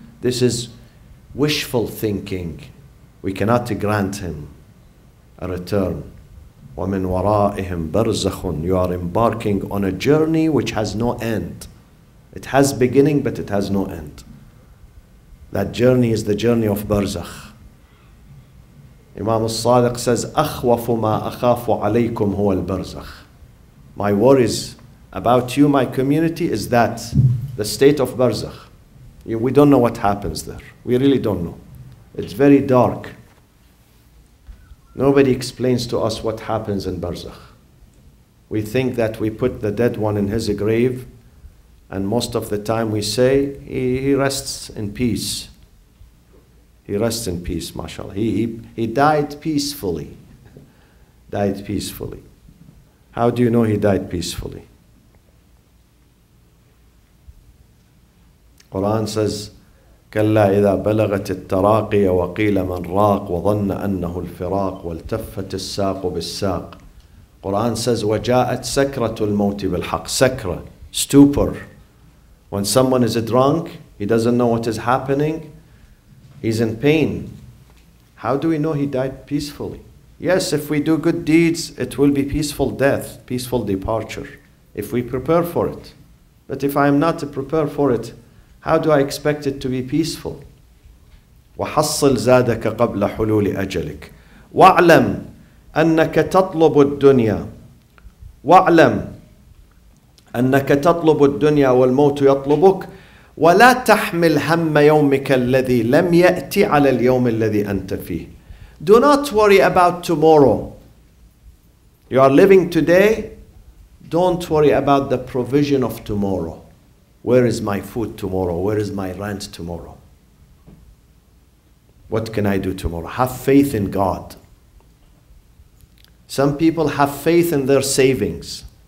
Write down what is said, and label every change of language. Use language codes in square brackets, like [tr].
[en] This is wishful thinking. We cannot grant him a return. [ar] وَمِنْ وَرَائِهِمْ بَرْزَخٌ. [en] You are embarking on a journey which has no end. It has beginning, but it has no end. That journey is the journey of barzakh. Imam al-Sadiq says, [ar] أَخْوَفُ مَا أَخَافُ عَلَيْكُمْ هُوَ الْبَرْزَخُ. [en] My worries about you, my community, is that the state of barzakh. We don't know what happens there. We really don't know. It's very dark. Nobody explains to us what happens in barzakh. We think that we put the dead one in his grave, and most of the time we say, he rests in peace. He rests in peace, mashallah. He died peacefully. Died peacefully. How do you know he died peacefully? [ar] Quran says, كلا إذا بلغت التراقي وقيل من راق وظن أنه الفراق والتفت الساق بالساق. Quran says, وجاءت سكرة الموت بالحق. [en] سكرة, stupor. When someone is drunk, he doesn't know what is happening, he's in pain. How do we know he died peacefully? Yes, if we do good deeds, it will be peaceful death, peaceful departure, if we prepare for it. But if I am not to prepare for it, how do I expect it to be peaceful? [ar] وَحَصِّلْ زَادَكَ قَبْلَ حُلُولِ أَجَلِكَ وَاعْلَمْ أَنَّكَ تَطْلُبُ الدُّنْيَا وَاعْلَمْ أنك تطلب الدنيا والموت يطلبك ولا تحمل هم يومك الذي لم يأتي على اليوم الذي أنت فيه. [en] Do not worry about tomorrow. You are living today. Don't worry about the provision of tomorrow. Where is my food tomorrow? Where is my rent tomorrow? What can I do tomorrow? Have faith in God. Some people have faith in their savings.